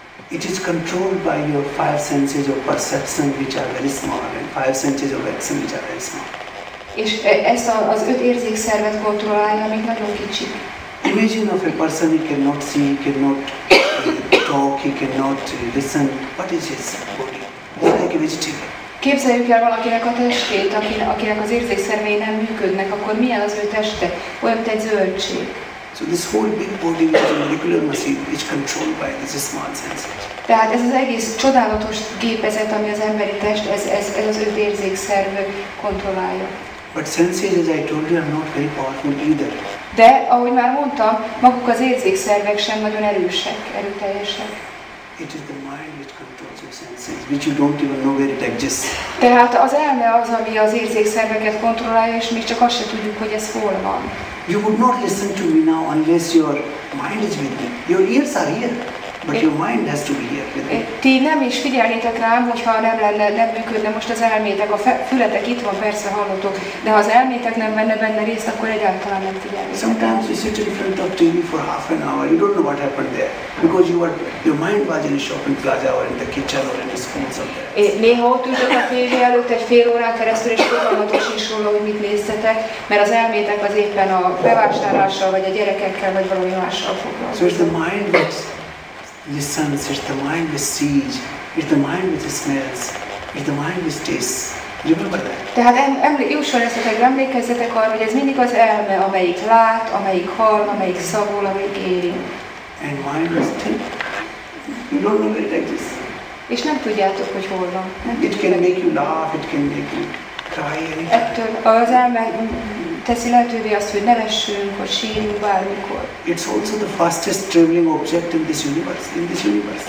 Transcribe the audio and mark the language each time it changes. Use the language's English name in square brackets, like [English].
[English] It is controlled by your five senses of perception, which are very small, and five senses of action, which are very small. [Hungarian] És ezt az öt érzékszervet kontrollálja, amik nagyon kicsik. [English] Imagine of a person, he cannot see, he cannot talk, he cannot listen. What is his body? Like a vegetable. [Hungarian] Képzeljük el valakinek a testét, akinek az érzékszervei nem működnek, akkor milyen az ő teste? Olyan, mint egy zöldség. [English] So this whole big body is a molecular machine which is controlled by these small senses. [Hungarian] Tehát ez az egész csodálatos gépezet, ami az emberi test, ez az öt érzékszerv kontrollálja. [English] But senses, as I told you, are not very powerful either. [Hungarian] De, ahogy már mondtam, maguk az érzékszervek sem nagyon erősek, erőteljesek. [English] It is the mind which controls your senses, which you don't even know where it exists. [Hungarian] Tehát az elme az, ami az érzékszerveket kontrollálja, és még csak azt se tudjuk, hogy ez hol van. [English] You would not listen to me now unless your mind is with me. Your ears are here, but your mind has to be here with me. [Hungarian] Ti nem is figyelnétek rám, hogyha nem lenne, nem működne most az elmétek. A fületek itt van, persze hallotok, de ha az elmétek nem venne benne részt, akkor egyáltalán nem figyelnétek. [English] Sometimes you sit in front of TV for half an hour, you don't know what happened there. Because your mind was in a shopping plaza or in the kitchen or in the school somewhere. [Hungarian] Néha ott ültök a tévé előtt egy fél órán keresztül, és fogalmatos is róla, hogy mit néztetek, mert az elmétek az éppen a bevásárlással, vagy a gyerekekkel, vagy valami mással foglalkozik. [English] So it's the mind which listens, it's the mind which sees, it's the mind which smells, it's the mind which tastes. Remember that? [Hungarian] Tehát jusson eszetek, emlékezzetek arra, hogy ez mindig az elme, amelyik lát, amelyik hall, amelyik szagol, amelyik éli. [English] And mind is thick. You don't know where it exists. [Hungarian] És nem tudjátok, hogy hol van. [English] It can make you laugh, it can make you cry, anything. [Hungarian] Ettől az elme teszi lehetővé azt, hogy nevessünk, hogy sírjunk bármikor. [English] It's also the fastest traveling object in this universe.